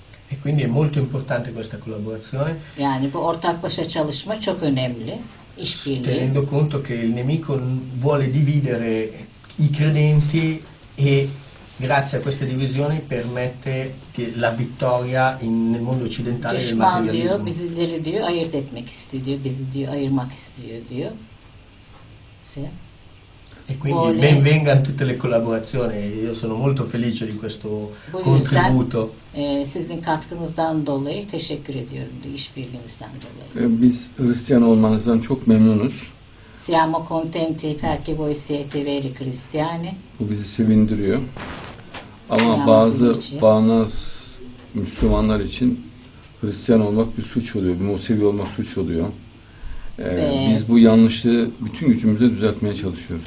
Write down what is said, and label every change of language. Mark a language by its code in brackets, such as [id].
[it] E quindi è molto importante questa collaborazione. [tr] Yani bu ortaklaşa çalışma çok önemli. [it] Tenendo conto che il nemico vuole dividere i credenti e grazie a questa divisione permette la vittoria nel mondo occidentale del materialismo. [tr] Diyor, bizleri diyor ayırt etmek istiyor diyor, bizi diyor ayırmak istiyor diyor. [it] Sì. E quindi benvengano tutte le collaborazioni, io sono molto felice di questo contributo. [tr] Sizin katkınızdan dolayı teşekkür ediyorum, işbirliğinizden dolayı. Biz Hristiyan olmanızdan çok memnunuz. [it] Siamo contenti perché voi siete veri cristiani. [tr] Bu bizi sevindiriyor. Ama bazı bağnaz Müslümanlar için Hristiyan olmak bir suç oluyor, Musevi olmak suç oluyor. Biz bu yanlışlığı bütün gücümüzle düzeltmeye çalışıyoruz.